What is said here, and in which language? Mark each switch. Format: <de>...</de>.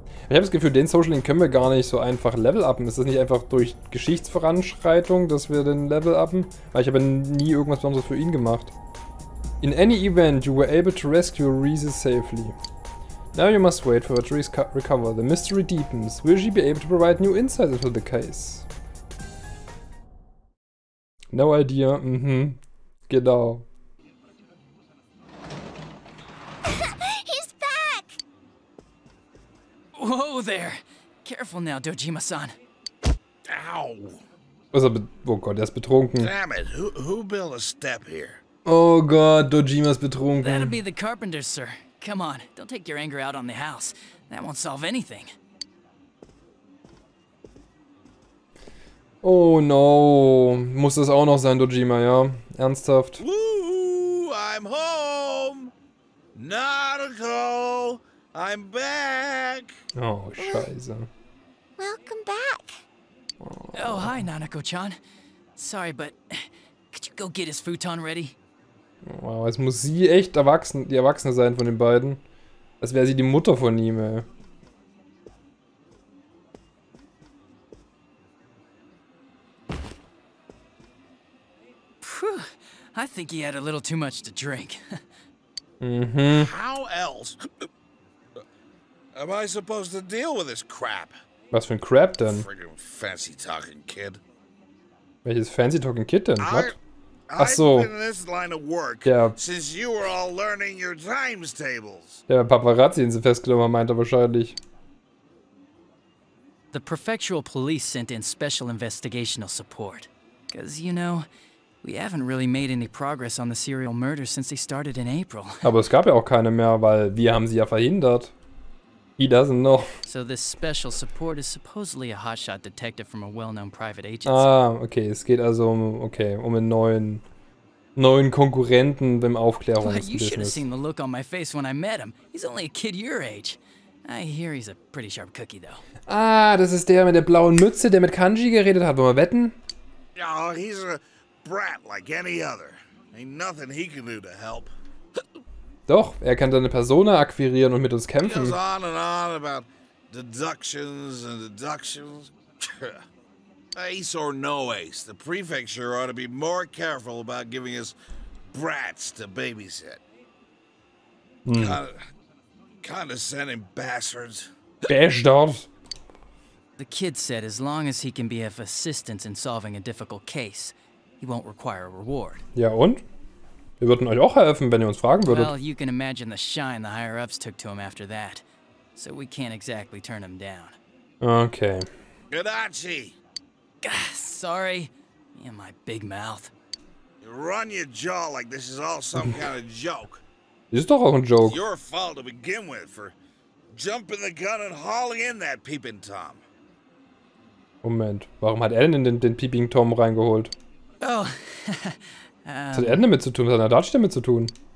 <de>Ich habe das Gefühl, den Social Link können wir gar nicht so einfach level uppen. Ist das nicht einfach durch Geschichtsvoranschreitung, dass wir den level uppen? Weil ich habe nie irgendwas Besonderes für ihn gemacht.</de> <en>In any event, you were able to rescue Reese safely. Now you must wait for her to recover. The mystery deepens. Will she be able to provide new insights into the case? No idea, genau. He's back! Whoa there! Careful now, Dojima-san. Ow!</en> <de>Oh Gott, er ist betrunken.</de> <en>Damn it, who built a step here?</en> <de>Oh Gott, Dojima's betrunken.</de> <en>That'll be the carpenter, sir. Come on, don't take your anger out on the house. That won't solve anything.</en> <de>Oh no, muss das auch noch sein, Dojima, ja? Ernsthaft?</de> <en>Woo, I'm home! Naruto, I'm back!</en> <de>Oh, scheiße.</de> <en>Welcome back! Oh, hi, Nanako-chan. Sorry, but could you go get his futon ready?</en> <de>Wow, jetzt muss sie echt erwachsen, die Erwachsene sein von den beiden. Als wäre sie die Mutter von ihm, ey.</de> <en>I think he had a little too much to drink. Mm-hmm. How else am I supposed to deal with this crap?</en> <de>Was für ein Crab denn?</de> <en>Freaking fancy talking kid.</en> <de>Welches fancy talking kid denn? What? Ach so. Ja, Paparazzi sind sie festgenommen, meint er wahrscheinlich.</de> <en>The prefectural police sent in special investigational support. Because, you know, we haven't really made any progress on the serial murder since they started in April.</en> <de>Aber es gab ja auch keine mehr, weil wir haben sie ja verhindert.</de> <en>He doesn't know. So this special support is supposedly a hotshot detective from a well-known private agency.</en> <de>Ah, okay, es geht also um einen neuen Konkurrenten beim Aufklärungsbusiness.</de> <en>You should have seen the look on my face when I met him. He's only a kid your age. I hear he's a pretty sharp cookie, though.</en> <de>Ah, das ist der mit der blauen Mütze, der mit Kanji geredet hat. Wollen wir wetten?</de> <en>Oh, he's a brat like any other. Ain't nothing he can do to help.</en> <de>Doch, er kann seine Persona akquirieren und mit uns kämpfen.</de> <en>He goes on and on about deductions and deductions. Ace or no ace, the prefecture ought to be more careful about giving us brats to babysit. Condescending bastards. Bastards. The kid said as long as he can be of assistance in solving a difficult case, he won't require a reward.</en> <de>Ja und? Wir würden euch auch helfen, wenn ihr uns fragen würdet.</de> <en>Well, you can imagine the shine the higher-ups took to him after that. So we can't exactly turn him down. Okay. Gadachi! Gah, sorry. Me and my big mouth. You run your jaw like this is all some kind of joke.</en> <de>Ist doch auch ein Joke.</de> <en>It's your fault to begin with for jumping the gun and hauling in that peeping Tom.</en> <de>Moment, warum hat er denn den peeping Tom reingeholt? Oh, Was hat er denn damit zu tun? Was hat er Dutch damit zu tun?</de>